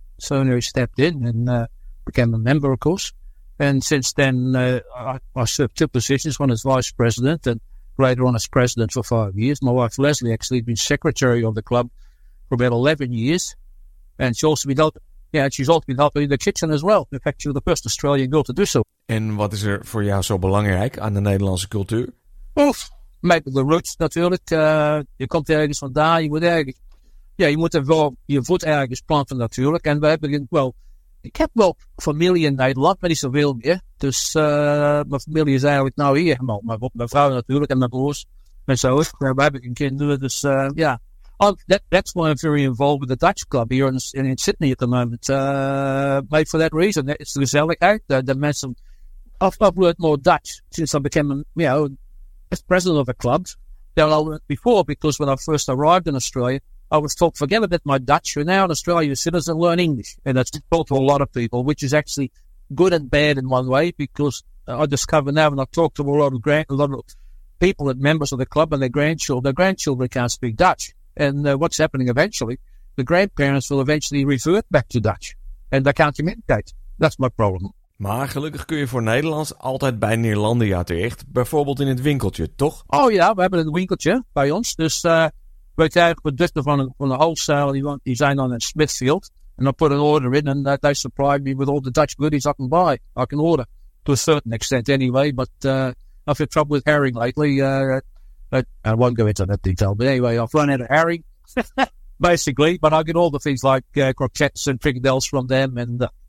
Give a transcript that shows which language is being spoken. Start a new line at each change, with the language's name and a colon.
English: So he stepped in and became a member, of course. And since then, I served two positions, one as vice president and later on as president for 5 years. My wife, Leslie, actually been secretary of the club for about 11 years. And she's also been helping in the kitchen as well. In fact, she was the first Australian girl to do so. And what is
Dutch: er voor jou zo belangrijk aan de Nederlandse cultuur?
English: Oof, maybe the roots,
Dutch: natuurlijk. Je komt ergens vandaan, je moet ergens. Ja, je moet er wel je voet ergens planten natuurlijk. En we hebben, ik heb wel familie in Nederland, maar niet zoveel meer. Dus mijn familie is eigenlijk nou hier. Mijn vrouw natuurlijk en mijn broers. En zo, we hebben geen kinderen. Dus ja,
English: that's why I'm very involved with the Dutch club here in Sydney at the moment. Maybe for that reason, it's the
Dutch: gezellig uit.
English: The mensen, I've learned more Dutch since I became, as president of a club than I learned before. Because when I first arrived in Australia, I was told, forget about my Dutch. You're now in Australia, you're citizens, learn English. And that's told to a lot of people, which is actually good and bad in one way, because I discover now when I talk to a lot of people that members of the club and their grandchildren can't speak Dutch. And what's happening eventually, the grandparents will eventually revert back to Dutch and they can't communicate. That's my problem.
Dutch: Maar gelukkig kun je voor Nederlands altijd bij Neerlandia terecht. Bijvoorbeeld in het winkeltje, toch? Oh ja, we hebben een winkeltje bij ons. Dus we krijgen producten van de wholesale. Die zijn dan in Smithfield. En dan
English: put an order in and they supply me with all the Dutch goodies I can buy. I can order to a certain extent anyway. But I've had trouble with herring lately. I won't go into that detail. But anyway, I've run out of herring, basically. But I get all the things like croquettes and frikadels from them and...